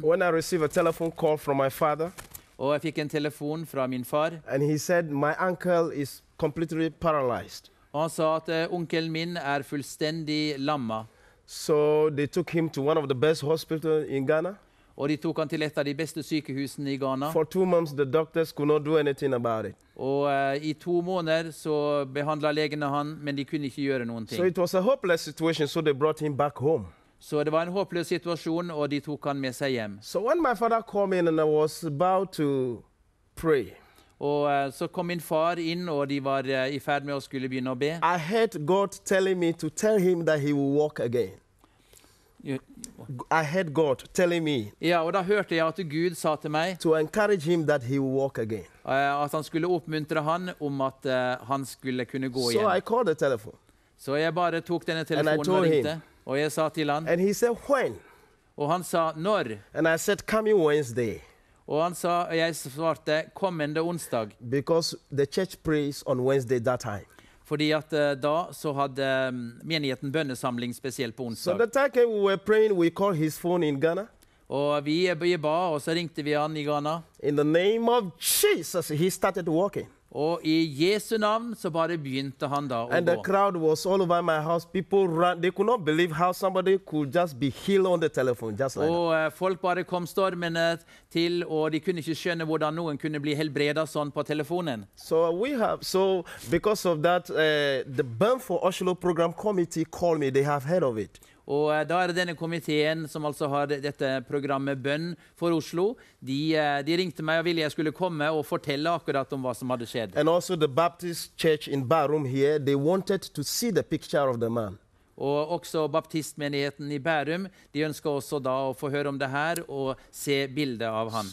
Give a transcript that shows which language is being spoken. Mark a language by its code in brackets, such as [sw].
[en] When I received a telephone call from my father. [no] Og jeg fikk en telefon fra min far. [en] And he said my uncle is completely paralyzed. [no] Og han sa at onkelen min er fullstendig lamma. [en] So they took him to one of the best hospitals in Ghana. [no] Og de tok han til et av de beste sykehusene i Ghana. [en] For 2 months the doctors could not do anything about it. [no] Og i 2 måneder så behandlet legene han, men de kunne ikke gjøre noen ting. [en] So it was a hopeless situation, so they brought him back home. [no] Så det var en håpløs situasjon, og de tok han med seg hjem. [en] So when my father came in and I was about to pray. [no] Og så kom min far inn, og de var i ferd med å skulle begynne å be. [en] I heard God telling me to tell him that he will walk again. I heard God telling me. [no] Ja, og da hørte jeg at Gud sa til meg. [en] To encourage him that he will walk again. [no] At han skulle oppmuntre han om at han skulle kunne gå igjen. [en] So I called the telephone. [no] Så jeg bare tok denne telefonen og ringte. Og jeg sa til han. [en] And he said when? [no] Og han sa når? [en] And I said coming Wednesday. [no] Og han sa, jeg svarte, kommende onsdag. [en] Because the church prays on Wednesday that time. [no] Fordi at da så hadde menigheten bønnesamling spesielt på onsdag. [en] So the time came, we were praying, we called his phone in Ghana. [no] Og vi ba, og så ringte vi han i Ghana. [en] In the name of Jesus, he started walking. [no] Og I Jesu navn så bare begynte han da å gå. [en] And the crowd was all over my house. People ran. They could not believe how somebody could just be healed on the telephone, just like that. [no] Og folk bare kom stormende til, og de kunne ikke skjønne hvordan noen kunne bli helbredet sånn på telefonen. [en] So we have, so because of that, the Burn for Oslo program committee called me. They have heard of it. [no] Og da denne komiteen som altså har dette programmet Bønn for Oslo, de ringte meg og ville jeg skulle komme og fortelle akkurat om hva som hadde skjedd. [en] And also the Baptist church in Bærum here, they wanted to see the picture of the man. [no] Og også baptistmenigheten I Bærum, de ønsket også da å få høre om det her og se bildet av han.